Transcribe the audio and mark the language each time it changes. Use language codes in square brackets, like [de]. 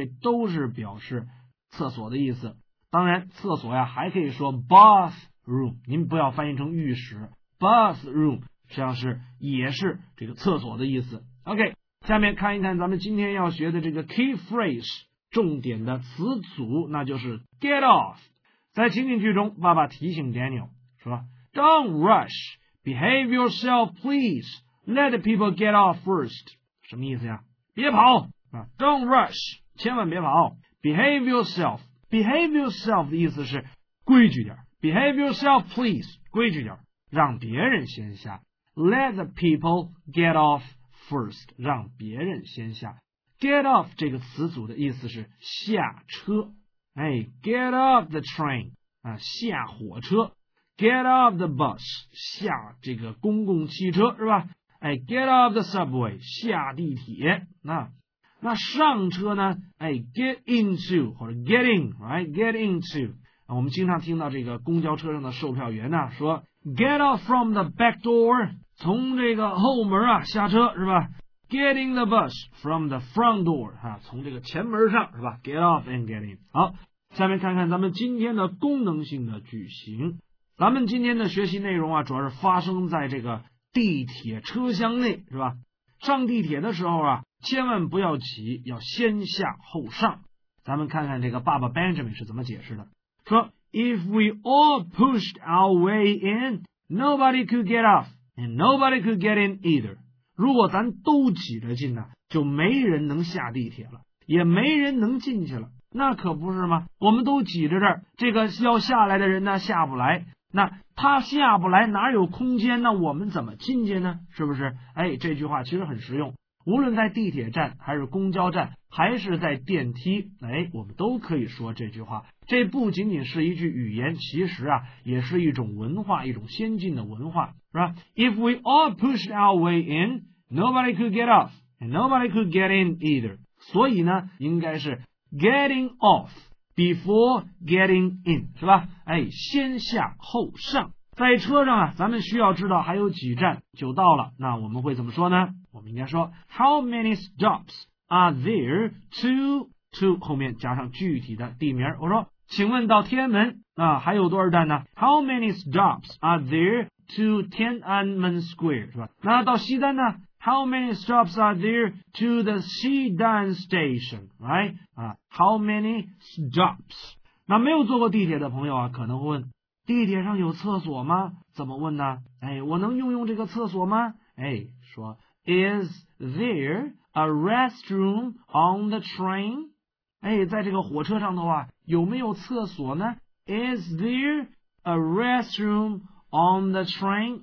[zh] 这都是表示厕所的意思。当然，厕所呀还可以说 bathroom， 您不要翻译成浴室。 Bathroom 实际上是也是这个厕所的意思。 OK， 下面看一看咱们今天要学的这个 key phrase 重点的词组，那就是 get off。在情景剧中爸爸提醒 Daniel 说 [en] Don't rush behave yourself please let people get off first， [zh] 什么意思呀？别跑啊 [en] Don't rush， [zh] 千万别跑。 [en] behave yourself， behave yourself [zh] 的意思是规矩点， [en] behave yourself please [zh] 规矩点，让别人先下。 [en] Let the people get off first， [zh] 让别人先下。 Get off 这个词组的意思是下车，哎 ， [en] Get off the train [zh] 啊，下火车。 [en] Get off the bus， [zh] 下这个公共汽车，是吧？ [en] 哎 ，Get off the subway， [zh] 下地铁。那上车呢？ [en] 哎 ，Get into [zh] 或者 [en] Get in， right？ [zh] Get into、啊、我们经常听到这个公交车上的售票员呢说 [en] Get out from the back door， [zh] 从这个后门啊下车，是吧？ [en] Get in the bus from the front door、 [zh] 啊、从这个前门上，是吧？ [en] Get off and get in。 [zh] 好，下面看看咱们今天的功能性的句型。咱们今天的学习内容啊主要是发生在这个地铁车厢内，是吧？上地铁的时候啊千万不要急，要先下后上。咱们看看这个爸爸 Benjamin 是怎么解释的，说 [en] If we all pushed our way in, nobody could get off, and nobody could get in either. [zh] 如果咱都挤着进呢，就没人能下地铁了，也没人能进去了。那可不是吗？我们都挤着这儿，这个要下来的人呢，下不来。那他下不来，哪有空间？那我们怎么进去呢？是不是？哎，这句话其实很实用。无论在地铁站还是公交站还是在电梯，哎，我们都可以说这句话。这不仅仅是一句语言，其实啊也是一种文化，一种先进的文化，是吧？ [en] If we all pushed our way in, nobody could get off and nobody could get in either. [zh] 所以呢应该是 [en] getting off before getting in， [zh] 是吧？哎，先下后上。在车上啊咱们需要知道还有几站就到了，那我们会怎么说呢？我们应该说 [en] How many stops are there to [zh] 后面加上具体的地名，我说请问到天安门啊还有多少站呢？ [en] How many stops are there to Tiananmen Square， 是吧？ [zh] 那到西单呢？ [en] How many stops are there to the 西单 station， right？啊 How many stops。 [zh] 那没有坐过地铁的朋友啊可能会问地铁上有厕所吗？怎么问呢？哎，我能用用这个厕所吗？哎，说 [en] Is there a restroom on the train？ [zh] 哎，在这个火车上的话有没有厕所呢？ [en] Is there a restroom on the train？